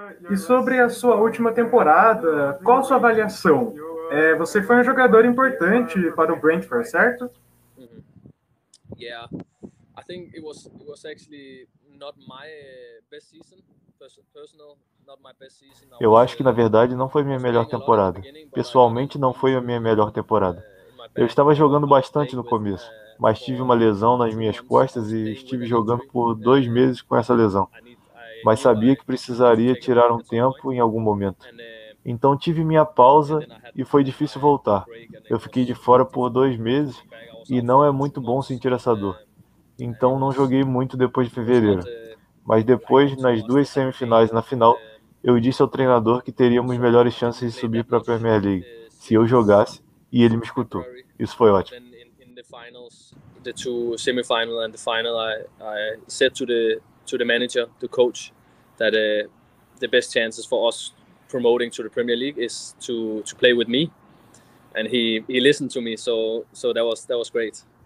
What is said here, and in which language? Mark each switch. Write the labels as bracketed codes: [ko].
[pt] E sobre a sua última temporada, qual a sua avaliação? Você foi um jogador importante para o Brentford, certo? Mm-hmm. [en] Yeah, I think it was actually not my best season, personal. [pt] Eu acho que na verdade não foi minha melhor temporada. Pessoalmente, não foi a minha melhor temporada. Eu estava jogando bastante no começo, mas tive uma lesão nas minhas costas e estive jogando por 2 meses com essa lesão. Mas sabia que precisaria tirar um tempo em algum momento. Então tive minha pausa e foi difícil voltar. Eu fiquei de fora por 2 meses e não é muito bom sentir essa dor. Então não joguei muito depois de fevereiro. Mas depois, nas 2 semifinais e na final, eu disse ao treinador que teríamos melhores chances de subir para a Premier League se eu jogasse, e ele me escutou. Isso foi ótimo. [en] Finals, the 2 semifinal and the final, I said to the manager, the coach, that the best chances for us promoting to the Premier League is to play with me, and he listened to me, so that was great.